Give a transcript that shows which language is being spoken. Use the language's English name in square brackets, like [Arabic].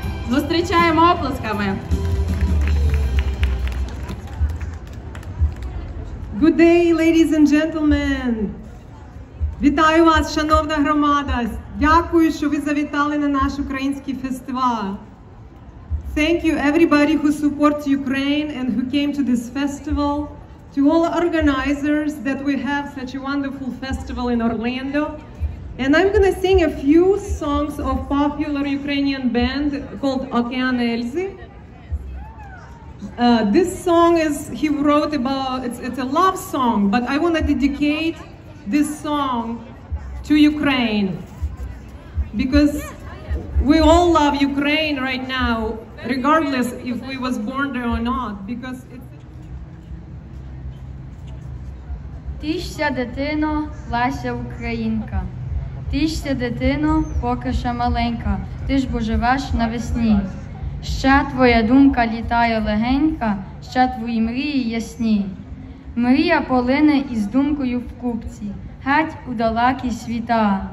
[Ukrainian] Зустрічаємо оплесками. [English] Good day, ladies and gentlemen. [Ukrainian] Вітаю вас, шановна громада. Дякую, що ви завітали на наш український фестиваль. [English] Thank you everybody who supports Ukraine and who came to this festival. To all organizers that we have such a wonderful festival in Orlando. And I'm going to sing a few songs of popular Ukrainian band called Okean Elzy. This song is, he wrote about, it's a love song, but I want to dedicate this song to Ukraine. Because we all love Ukraine right now, regardless if we was born there or not, because it's... [Ukrainian] Тішся, дитино, Лася українка. Тішся, дитино, поки ще маленька. Ти ж бо живеш навесні. Ща твоя думка літає легенька, ща твої мрії ясні. Мрія полине із думкою в купці, геть у далекі світа.